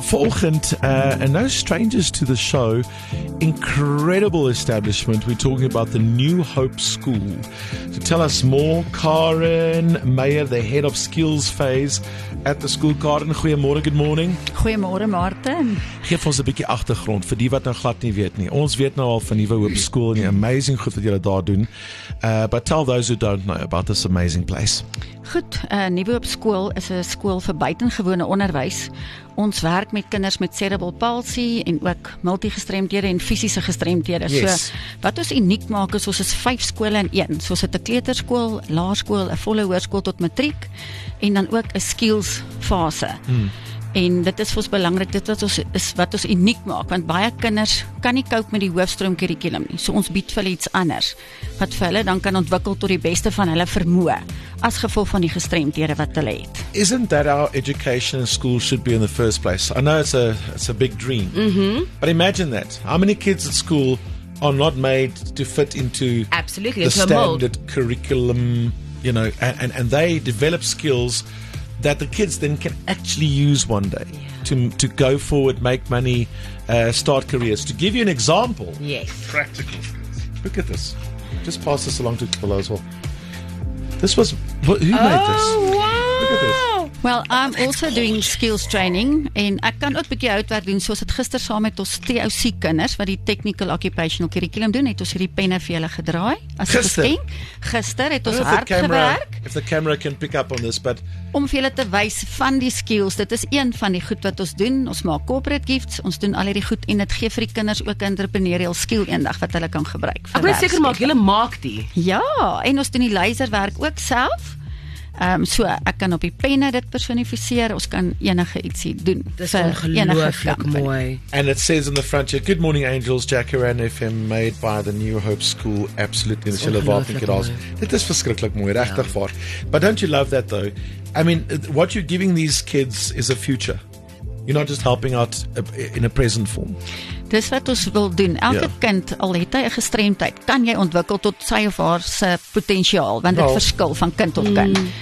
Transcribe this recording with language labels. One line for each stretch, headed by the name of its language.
English: Volgend, and no strangers to the show, incredible establishment. We're talking about the New Hope School. To tell us more, Karen Meyer, the head of skills phase at the school. Karen, goeiemorgen, good morning.
Afrikaans: Goeiemorgen, Martin. Geef ons 'n bietjie agtergrond vir die wat nou glad nie weet nie. Ons weet nou al van Nuwe Hoop School en die amazing goed wat julle daar doen.
English: But tell those who don't know about this amazing place.
Afrikaans: Goed, Nuwe Hoop School is 'n skool vir buitengewone onderwys. Ons werk met kinders met cerebral palsy en ook multigestremdhede en fisiese gestremdhede.
English: Yes. So,
Afrikaans: wat ons uniek maak is, ons is 5 skole in 1. So, ons het 'n kleuterskool, laerskool, 'n volle hoërskool tot matriek en dan ook 'n skills fase. En dit is vir ons belangrik, dit wat ons, is wat ons uniek maak, want baie kinders kan nie cope met die hoofstroom curriculum nie, so ons bied vir hulle iets anders, wat vir hulle dan kan ontwikkel tot die beste van hulle vermoë, as gevolg van die gestremdhede wat hulle het.
English: Isn't that how education in school should be in the first place? I know it's a big dream, but imagine that, how many kids at school are not made to fit into absolutely the into standard mold. Curriculum, you know, and they develop skills that the kids then can actually use one day to go forward, make money, start careers. To give you an example. Yes. Practical skills. Look at this. Just pass this along to Kilo as well. This was, who made this? Oh, wow. Well, I'm also doing skills training
Afrikaans: en ek kan ook 'n bietjie houtwerk doen, soos het gister saam met ons twee ou siek kinders wat die technical occupational curriculum doen, het ons hierdie penne vir hulle gedraai. As gister? Geskenk. Gister het ons hard gewerk.
English: If the camera can pick up on this, but
Afrikaans: om vir julle te wys van die skills, dit is een van die goed wat ons doen, ons maak corporate gifts, ons doen al hierdie goed en dit gee vir die kinders ook 'n entrepreneurial skill eendag wat hulle kan gebruik. Ek wil seker maak, julle maak die. Ja, en ons doen die laserwerk ook self. So ek kan op die penne dit personifiseer, ons kan enige ietsie doen. Dis ongelooflik mooi.
English: And it says in the front here, Good Morning Angels, Jacaranda FM, made by the New Hope School, absolutely.
Afrikaans: Dis ongelooflik mooi. Dit is verskriklik mooi, regtig waar.
English: But don't you love that though? I mean, what you're giving these kids is a future. You're not just helping out in a present form.
Afrikaans: Dis wat ons wil doen. Elke kind, al het hy 'n gestremdheid, kan jy ontwikkel tot sy of haar se potensiaal, want dit verskil van kind tot kind.